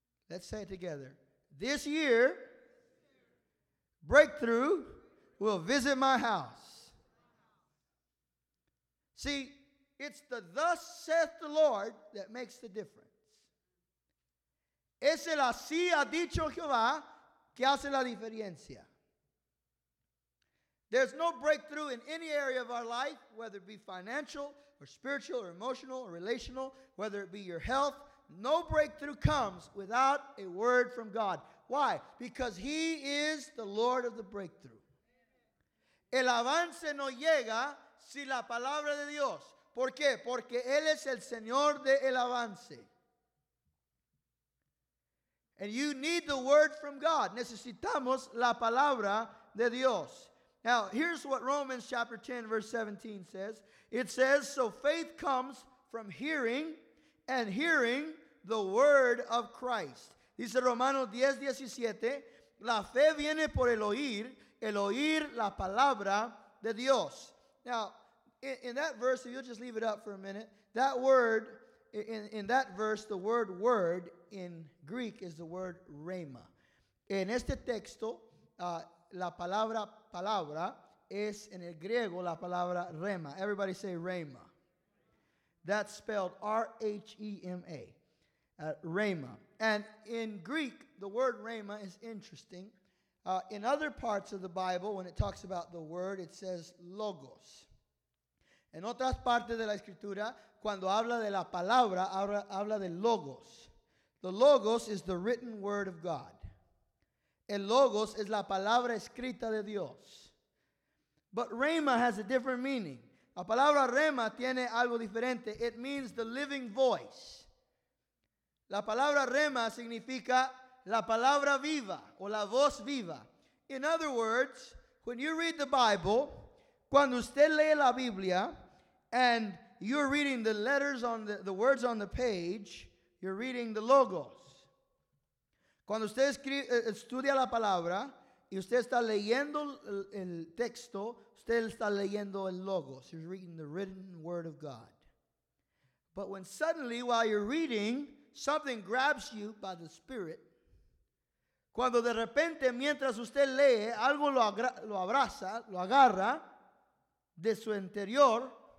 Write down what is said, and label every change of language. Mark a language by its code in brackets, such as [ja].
[en] Let's say it together. This year, breakthrough will visit my house. See, it's the thus saith the Lord that makes the difference. [es] Es el así ha dicho Jehová que hace la diferencia. [en] There's no breakthrough in any area of our life, whether it be financial or spiritual or emotional or relational, whether it be your health. No breakthrough comes without a word from God. Why? Because He is the Lord of the breakthrough. [es] El avance no llega sin la palabra de Dios. ¿Por qué? Porque Él es el Señor de el avance. [en] And you need the word from God. [es] Necesitamos la palabra de Dios. [en] Now, here's what Romans chapter 10, verse 17 says. It says, so faith comes from hearing, and hearing the word of Christ. [es] Dice Romanos 10, 17, la fe viene por el oír la palabra de Dios. [en] Now, in that verse, if you'll just leave it up for a minute, that word In that verse, the word word in Greek is the word rhema. [es] En este texto, la palabra palabra es en el griego la palabra rhema. [en] Everybody say rhema. That's spelled R-H-E-M-A. Rhema. And in Greek, the word rhema is interesting. In other parts of the Bible, when it talks about the word, it says logos. [es] En otras partes de la escritura, cuando habla de la palabra, habla de logos. [en] The logos is the written word of God. [es] El logos es la palabra escrita de Dios. [en] But rhema has a different meaning. [es] La palabra rhema tiene algo diferente. [en] It means the living voice. [es] La palabra rhema significa la palabra viva o la voz viva. [en] In other words, when you read the Bible, [es] cuando usted lee la Biblia, [en] and you're reading the letters on the words on the page, you're reading the logos. [es] Cuando usted estudia la palabra y usted está leyendo el texto, usted está leyendo el logos. [en] He's reading the written word of God. But when suddenly, while you're reading, something grabs you by the Spirit. [es] Cuando de repente, mientras usted lee, algo lo abraza, lo agarra de su interior.